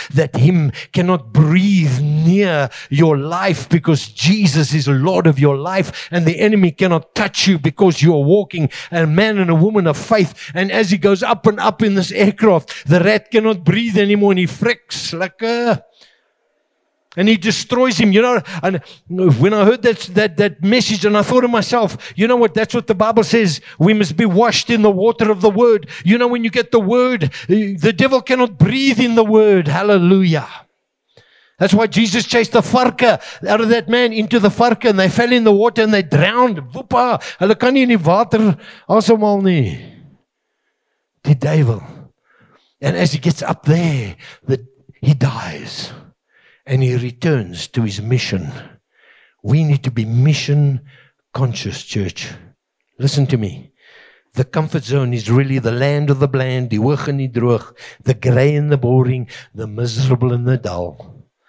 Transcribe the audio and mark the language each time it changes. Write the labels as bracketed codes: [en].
[en] that Him cannot breathe near your life because Jesus is Lord of your life and the enemy cannot touch you because you're walking a man and a woman of faith, and as he goes up and up in this aircraft, the rat cannot breathe anymore, and he fricks like and he destroys him. You know, and when I heard that message, and I thought to myself, you know what? That's what the Bible says. We must be washed in the water of the Word. You know, when you get the Word, the devil cannot breathe in the Word. Hallelujah. That's why Jesus chased the varke out of that man into the varke and they fell in the water and they drowned. Woopa! [af] Hulle kan nie in die water asemhaal nie. [en] The devil. And as he gets up there, he dies. And he returns to his mission. We need to be mission conscious, church. Listen to me. The comfort zone is really the land of the bland, [af] die hoog en die droog, [en] the gray and the boring, the miserable and the dull.